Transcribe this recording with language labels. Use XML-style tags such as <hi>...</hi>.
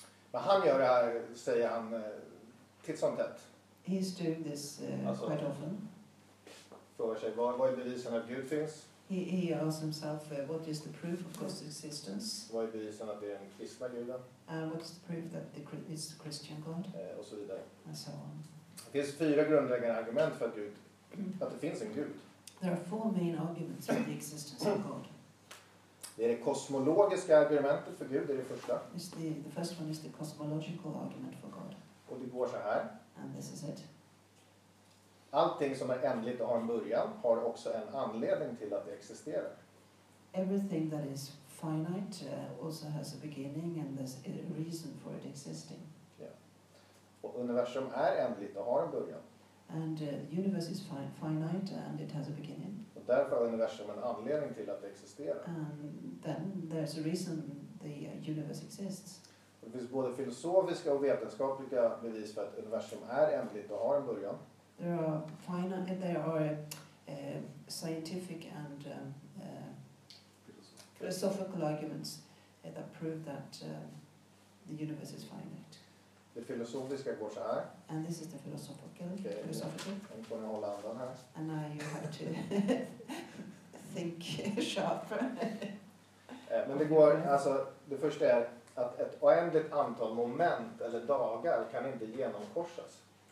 <sv>Men han gör det här, säger han, titt som tätt.</sv> <en>He's doing this</en> <sv>alltså,</sv> <en>quite often.</en> <sv>Frågar sig, vad är bevisen att Gud finns?</sv> <en>He asks himself, what is the proof of God's existence?</en> <sv>Vad är bevisen att det är en kristna guden?</sv> <en>And what is the proof that it's a Christian God?</en> <sv>Och så vidare.</sv> <en>And so on.</en> <sv>Det finns fyra grundläggande argument för Gud, att det finns en Gud.</sv> <en>There are four main arguments for the existence of God.</en> <sv>Det är det kosmologiska argumentet för Gud, det är det första.</sv> <en>The first one is the cosmological argument for God.</en> <sv>Och det går så här.</sv> <en>And this is it.</en> <sv>Allting som är ändligt och har en början har också en anledning till att det existerar.</sv> <en>Everything that is finite also has a beginning and there's a reason for it existing. Yeah.</en> <sv>Och universum är ändligt och har en början.</sv> <en>And the universe is finite and it has a beginning.</en> <sv>Och därför har universum en anledning till att det existerar.</sv> <en>And then there's a reason the universe exists.</en> <sv>Och det finns både filosofiska och vetenskapliga bevis för att universum är ändligt och har en början.</sv> <en>There are scientific and philosophical arguments that prove that the universe is finite.</en> <sv>Det filosofiska går så här.</sv> <en>And this is the philosophical. Okay. Philosophical.</en> <sv>Nu får ni hålla andan här.</sv> <en>And now you have to think sharp.</en> <sv>Men det går, alltså, det första är att ett oändligt antal moment eller dagar kan inte genomkorsas.</sv>